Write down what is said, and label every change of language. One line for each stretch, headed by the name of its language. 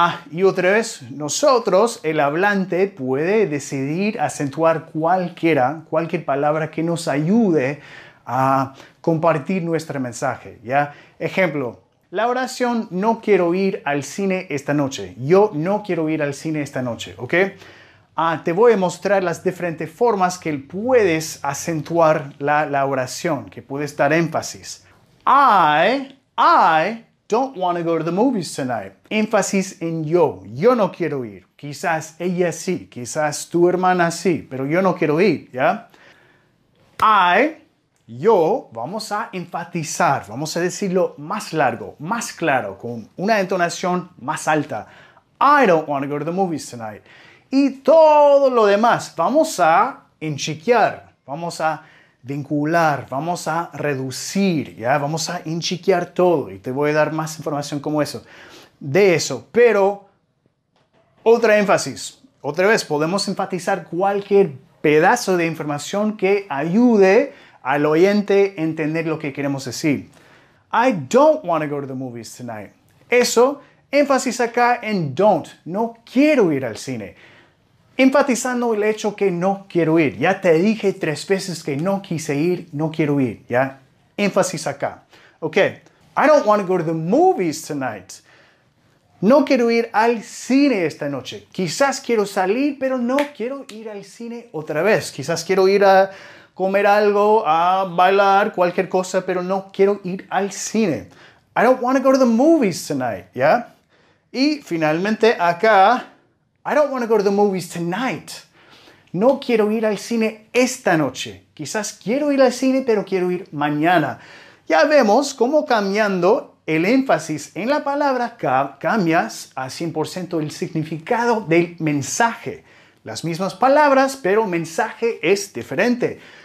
Spanish: Y otra vez, nosotros, el hablante, puede decidir acentuar cualquier palabra que nos ayude a compartir nuestro mensaje, ¿ya? Ejemplo, la oración, no quiero ir al cine esta noche. Yo no quiero ir al cine esta noche, ¿ok? Te voy a mostrar las diferentes formas que puedes acentuar la oración, que puedes dar énfasis.
English: I don't want to go to the movies tonight.
Spanish: Énfasis en yo. Yo no quiero ir. Quizás ella sí. Quizás tu hermana sí. Pero yo no quiero ir, ¿ya? I Yo, vamos a enfatizar, vamos a decirlo más largo, más claro, con una entonación más alta.
English: I don't want to go to the movies tonight.
Spanish: Y todo lo demás, vamos a enchiquear, vamos a vincular, vamos a reducir, ¿ya? Vamos a enchiquear todo y te voy a dar más información como eso, de eso. Pero, otra énfasis, otra vez, podemos enfatizar cualquier pedazo de información que ayude al oyente a entender lo que queremos decir.
English: I don't want to go to the movies tonight.
Spanish: Eso, énfasis acá en don't, no quiero ir al cine. Enfatizando el hecho que no quiero ir. Ya te dije 3 veces que no quise ir, no quiero ir. Ya, énfasis acá. Ok.
English: I don't want to go to the movies tonight.
Spanish: No quiero ir al cine esta noche. Quizás quiero salir, pero no quiero ir al cine otra vez. Quizás quiero ir a comer algo, a bailar, cualquier cosa, pero no quiero ir al cine.
English: I don't want to go to the movies tonight.
Spanish: Ya. Y finalmente acá.
English: I don't want to go to the movies tonight.
Spanish: No quiero ir al cine esta noche. Quizás quiero ir al cine, pero quiero ir mañana. Ya vemos cómo cambiando el énfasis en la palabra cambias a 100% el significado del mensaje. Las mismas palabras, pero mensaje es diferente.